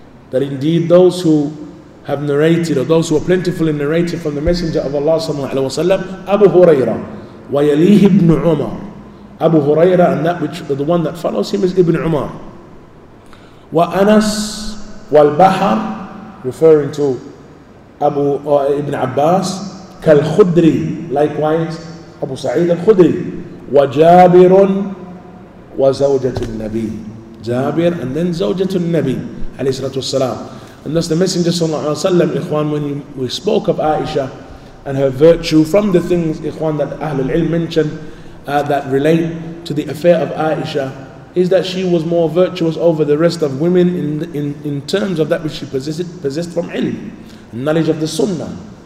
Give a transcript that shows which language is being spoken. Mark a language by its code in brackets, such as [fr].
[en] That indeed those who have narrated, or those who are plentifully narrated from the Messenger of Allah sallallahu alaihi wasallam, Abu Huraira [ar] ويليه ابن عمر. [en] Abu Huraira, and that which the one that follows him is Ibn Umar. [ar] وأنس والبحر, [en] referring to Abu Ibn Abbas. [ar] كالخدري, [en] likewise [ar] أبو سعيد الخدري. وجابر وزوجة النبي. جابر, [en] and then [ar] زوجة النبي عليه الصلاة والسلام. [en] And thus the Messenger صلى الله عليه وسلم, إخوان, when we spoke of Aisha and her virtue, from the things, إخوان, that أهل العلم mentioned that relate to the affair of Aisha, is that she was more virtuous over the rest of women in terms of that which she possessed from ilm, knowledge of the sunnah.